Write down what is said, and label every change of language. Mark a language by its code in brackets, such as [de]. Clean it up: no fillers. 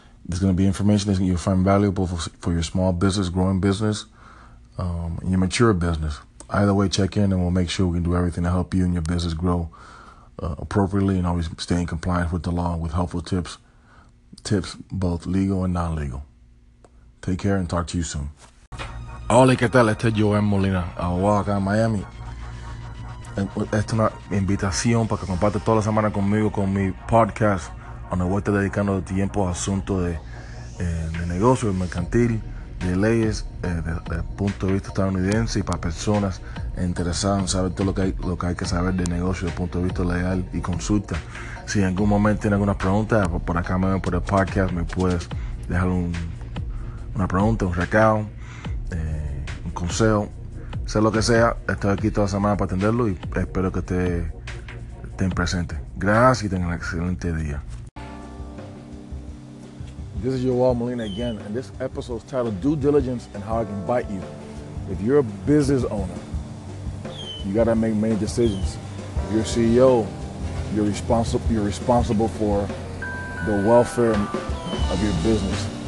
[en] There's going to be information that you'll find valuable for your small business, growing business, and your mature business. Either way, check in and we'll make sure we can do everything to help you and your business grow appropriately and always stay in compliance with the law with helpful tips. Tips both legal and non-legal. Take care and talk to you soon. [es] Hola, ¿qué tal? Este es Joel Molina. Acá en Miami. Esta es una invitación para que compartas toda la semana conmigo con mi podcast, donde voy a estar dedicando tiempo a asuntos de negocio, mercantil, de leyes, de punto de vista estadounidense y para personas interesadas en saber todo lo que hay que saber de negocio desde punto de vista legal y consulta. Si en algún momento tienes alguna pregunta, por acá me ven por el podcast, me puedes dejar una pregunta, un recado, un consejo, sea lo que sea. Estoy aquí toda la semana para atenderlo y espero que estén presentes. Gracias y tengan un excelente día. [en] This is Yoel Molina again, and this episode is titled Due Diligence and How I Can Bite You. If you're a business owner, you gotta make many decisions. If you're a CEO, you're responsible for the welfare of your business.